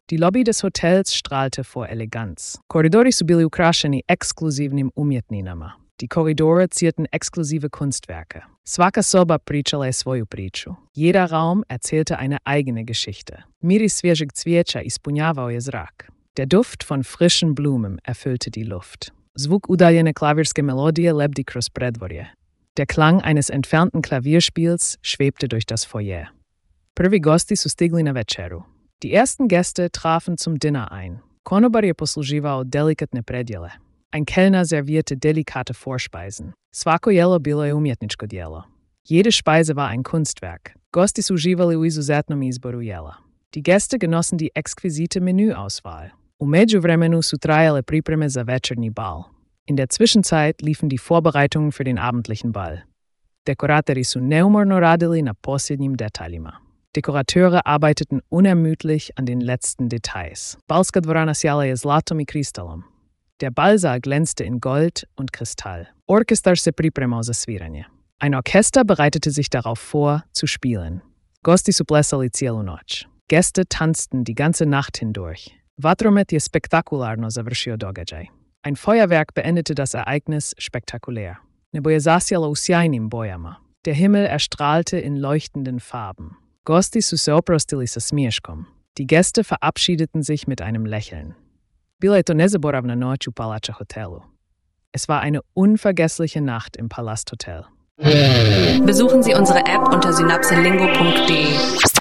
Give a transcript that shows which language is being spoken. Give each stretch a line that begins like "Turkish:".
German: Die Lobby des Hotels strahlte vor Eleganz.
Croatian: Korridori su bili ukrašeni ekskluzivnim umjetninama.
German: Die Korridore zierten exklusive Kunstwerke.
Croatian: Svaka soba pričala je svoju priču.
German: Jeder Raum erzählte eine eigene Geschichte.
Croatian: Miris svježeg cvijeća ispunjavao je zrak.
German: Der Duft von frischen Blumen erfüllte die Luft.
Croatian: Zvuk udaljene klavirske melodije lebdi kroz predvorje.
German: Der Klang eines entfernten Klavierspiels schwebte durch das Foyer.
Croatian: Prvi gosti su stigli na večeru.
German: Die ersten Gäste trafen zum Dinner ein.
Croatian: Konobar je posluživao delikatne predjele.
German: Ein Kellner servierte delikate Vorspeisen.
Croatian: Svako jelo bilo je umjetničko djelo.
German: Jede Speise war ein Kunstwerk.
Croatian: Gosti su uživali u izuzetnom izboru jela.
German: Die Gäste genossen die exquisite Menüauswahl.
Croatian: U međuvremenu su trajale pripreme za večernji bal.
German: In der Zwischenzeit liefen die Vorbereitungen für den abendlichen Ball.
Croatian: Dekorateri su neumorno radili na posljednjim detaljima.
German: Dekorateure arbeiteten unermüdlich an den letzten Details.
Croatian: Balska dvorana sjala je zlatom i kristalom.
German: Der Ballsaal glänzte in Gold und Kristall.
Croatian: Orchester se pripremao za sviranje.
German: Ein Orchester bereitete sich darauf vor, zu spielen.
Croatian: Gosti su plesali cijelu noć.
German: Gäste tanzten die ganze Nacht hindurch.
Croatian: Vatromet je spektakularno završio događaj.
German: Ein Feuerwerk beendete das Ereignis spektakulär.
Croatian: Nebo je zasjalo u sjajnim bojama.
German: Der Himmel erstrahlte in leuchtenden Farben.
Croatian: Gosti su se oprostili sa smiješkom.
German: Die Gäste verabschiedeten sich mit einem Lächeln.
Croatian: Bila je to nezaboravna noć u Palača hotelu.
German: Es war eine unvergessliche Nacht im Palast Hotel. Besuchen Sie unsere App unter synapsenlingo.de.